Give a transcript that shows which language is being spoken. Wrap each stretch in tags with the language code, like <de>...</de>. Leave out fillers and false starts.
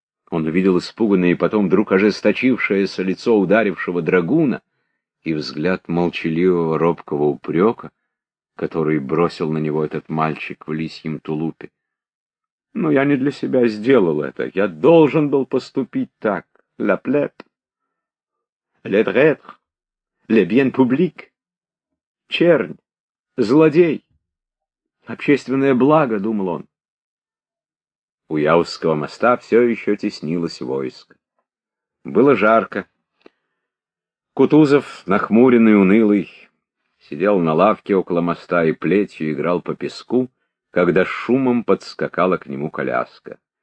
<ru>Он увидел испуганное и потом вдруг ожесточившееся лицо ударившего драгуна и взгляд молчаливого робкого упрека, который бросил на него этот мальчик в лисьем тулупе. Но я не для себя сделал это. Я должен был поступить так.</ru> <fr>La plèbe, le traître, le bien public.</fr> <ru>Чернь, злодей, общественное благо, — думал он. У Яузского моста все еще теснилось войско. Было жарко. Кутузов, нахмуренный, унылый, сидел на лавке около моста и плетью играл по песку, когда шумом подскакала к нему коляска.</ru>